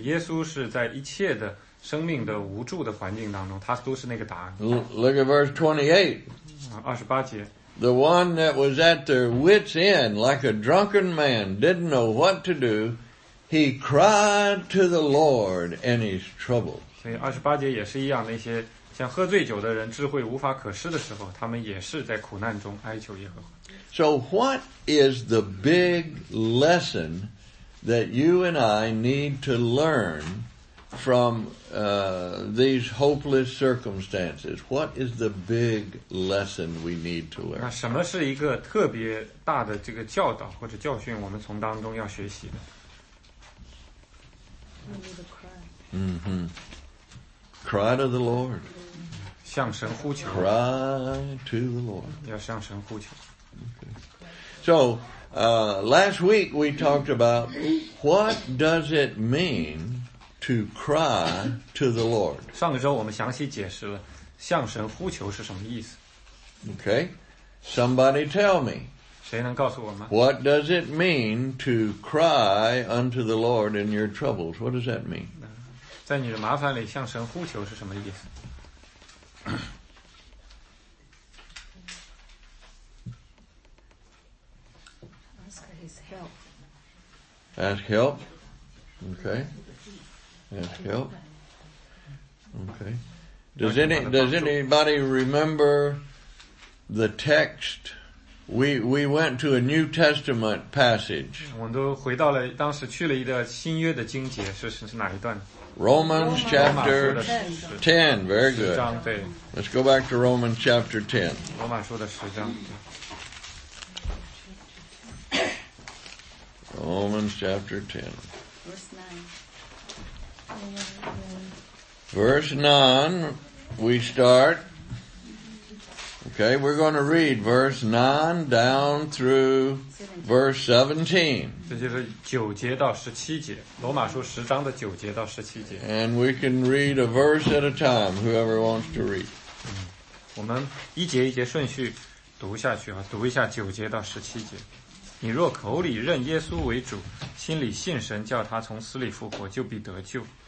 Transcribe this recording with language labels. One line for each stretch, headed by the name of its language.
Chinese: 耶稣是在一切的生命的无助的环境当中，他都是那个答案。
English: Look at verse 28.
Chinese: 二十八节。
English: The one that was at their wit's end, like a drunken man, didn't know what to do,He cried to the Lord in his trouble.
Chinese: 所以二十八节也是一样，那些像喝醉酒的人，智慧无法可施的时候，他们也是在苦难中哀求耶和华。
English: So what is the big lesson that you and I need to learn from these hopeless circumstances? What is the big lesson we need to learn?
Chinese: 那什么是一个特别大的这个教导或者教训，我们从当中要学习的？
English: Mm-hmm. Cry to the Lord.
Chinese: 向神呼求。
English: Cry to the Lord.
Chinese: 要向神呼求。
English: So, last week we talked about what does it mean to cry to the Lord.
Chinese: 上个周我们详细解释了向神呼求是什么意思。
English: Okay. Somebody tell me.
Chinese: 谁能告诉我吗?
English: What does it mean to cry unto the Lord in your troubles? What does that mean?
Chinese: 在你的麻烦里向神呼求是什么意思?
English: Ask his help. Ask help? Okay. Ask help? Okay. Does anybody remember the text? We went to a New Testament passage.
Chinese: 我们都回到了当时去了一个新约的经节，是哪一段
English: ？Romans chapter 10. Very good.
Chinese: 十章对。
English: Let's go back to Romans chapter 10.
Chinese: 罗马书的十章。
English: Romans chapter 10. Verse 9. Verse 9, we start. Okay, we're going to read verse 9 down through verse 17.
Chinese: 这就是9节到17节, 罗马书10章的9节到17节。
English: And we can read a verse at a time, whoever wants to read.
Chinese: 我们一节一节顺序读下去啊, 读一下9节到17节。你若口里认耶稣为主, 心里信神, 叫他从死里复活, 就必得救。